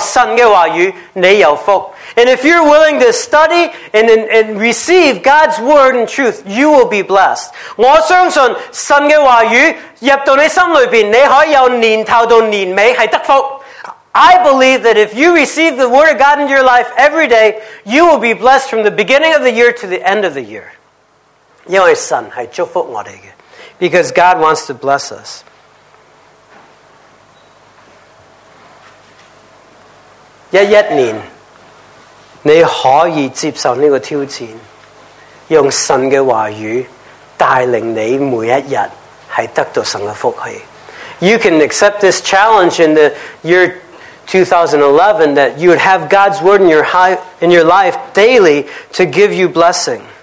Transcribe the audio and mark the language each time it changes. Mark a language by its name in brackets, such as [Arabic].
[Cantonese] 是神的话语里面,因为神定了这个绝对真理。如果你肯去研究,研究,认识,接受神的话语,你有福。 [English] And if you're willing to study and receive God's word and truth, you will be blessed. [Cantonese] 我相信神的话语,入到你心里面,你可以有年头到年尾,是得福。 [English] I believe that if you receive the word of God in your life every day, you will be blessed from the beginning of the year to the end of the year. [Cantonese] 因为神是祝福我们的, [English] because God wants to bless us. [Cantonese] 一一年,你可以接受这个挑战,用神的话语带领你每一天,是得到神的福气。 [English] You can accept this challenge in the year 2011, that you would have God's word in your life daily to give you blessing.